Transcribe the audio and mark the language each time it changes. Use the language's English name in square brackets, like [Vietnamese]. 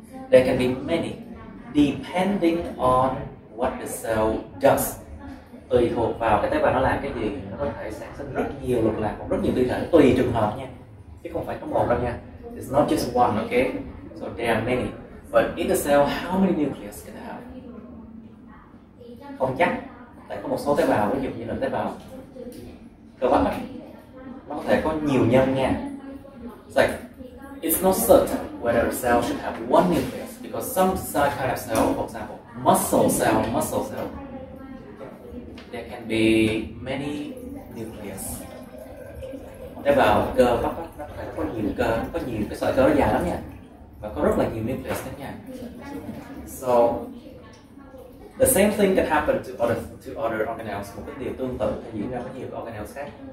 [English] There can be many, depending on what the cell does. [Vietnamese] Tùy thuộc vào cái tế bào nó làm cái gì, nó có thể sản sinh rất nhiều lục lạc hoặc rất nhiều tinh thể. Tùy trường hợp nha, chứ không phải có một đâu nha. [English] It's not just one, okay? So there are many, but in the cell, how many nucleus can it have? [Vietnamese] Không chắc, tại có một số tế bào, ví dụ như là tế bào cơ bắp, nó có thể có nhiều nhân nha. [English] Like it's not certain whether a cell should have one nucleus, because some kind of cell, for example, muscle cell, there can be many nucleus. [Vietnamese] Tế bào cơ bắp nó có nhiều cơ, có nhiều cái sợi cơ nó dài lắm nha, và có rất là nhiều nucleus đó nha. [English] So the same thing can happen to other organelles. [Vietnamese] Một cái điều tương tự thì diễn ra với nhiều organelles khác.